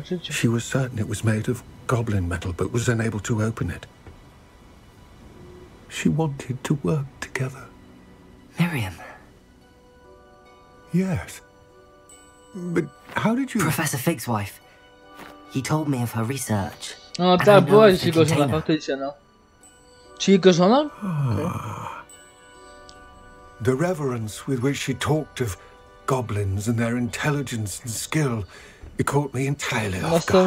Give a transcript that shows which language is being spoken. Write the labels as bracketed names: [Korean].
[English] She was certain it was made of goblin metal, but was unable to open it. She wanted to work together. Miriam. Yes. But how did you... Professor Fig's wife. He told me of her research. [Polish] No, no, tak, była już jego żona, faktycznie, no. Czy jego żona? [English] The reverence with which she talked of goblins and their intelligence and skill, it caught me entirely off guard.